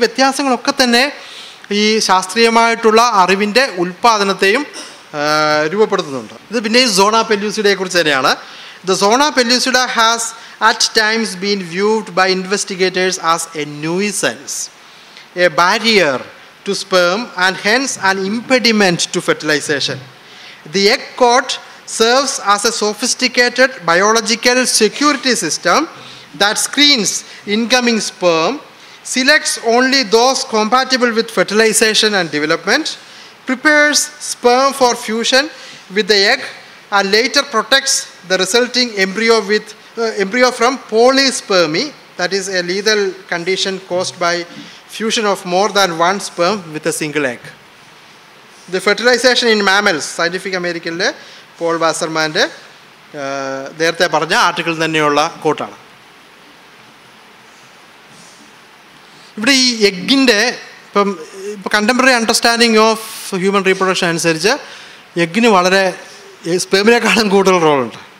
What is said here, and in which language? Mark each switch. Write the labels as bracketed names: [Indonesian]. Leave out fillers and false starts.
[Malayalam] ഈ വ്യത്യാസങ്ങളൊക്കെ തന്നെ ഈ ശാസ്ത്രീയമായിട്ടുള്ള അറിവിൻ്റെ ഉൽപ്പാദനത്തെയും രൂപപ്പെടുത്തുന്നുണ്ട്. ഇത് പിന്നെയും സോണ പെല്യൂസിഡയെ കുറിച്ച് തന്നെയാണ്. [English] The zona pellucida has at times been viewed by investigators as a nuisance, a barrier to sperm and hence an impediment to fertilization. The egg coat serves as a sophisticated biological security system that screens incoming sperm, selects only those compatible with fertilization and development, prepares sperm for fusion with the egg, and later protects the resulting embryo with embryo from polyspermy, that is a lethal condition caused by fusion of more than one sperm with a single egg. The fertilization in mammals, [Malayalam] Scientific American le Paul വാസർമാൻ്റെ നേരത്തെ പറഞ്ഞ article തന്നെയുള്ള കോട്ടാണ്. ഇവിടെ ഈ എഗ്ഗിൻ്റെ ഇപ്പം contemporary understanding of human reproduction അനുസരിച്ച് എഗ്ഗിന് വളരെ സ്പേമിനെക്കാളും കൂടുതൽ റോളുണ്ട്.